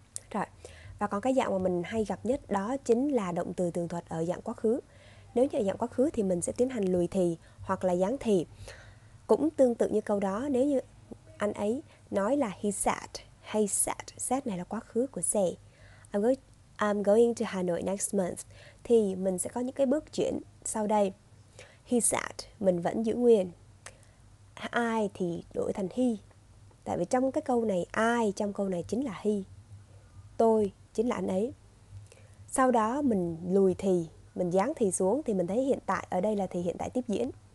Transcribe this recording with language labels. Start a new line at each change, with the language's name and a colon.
Vietnamese: Rồi, và còn cái dạng mà mình hay gặp nhất đó chính là động từ tường thuật ở dạng quá khứ. Nếu như ở dạng quá khứ thì mình sẽ tiến hành lùi thì hoặc là gián thì. Cũng tương tự như câu đó, nếu như anh ấy nói là
English: he said, hey said,
Vietnamese: said này là quá khứ của say.
English: I'm going to Hanoi next month.
Vietnamese: Thì mình sẽ có những cái bước chuyển sau đây.
English: He said,
Vietnamese: mình vẫn giữ nguyên. I thì đổi thành he. Tại vì trong cái câu này, I trong câu này chính là he. Tôi chính là anh ấy. Sau đó mình lùi thì, mình dán thì xuống thì mình thấy hiện tại ở đây là thì hiện tại tiếp diễn.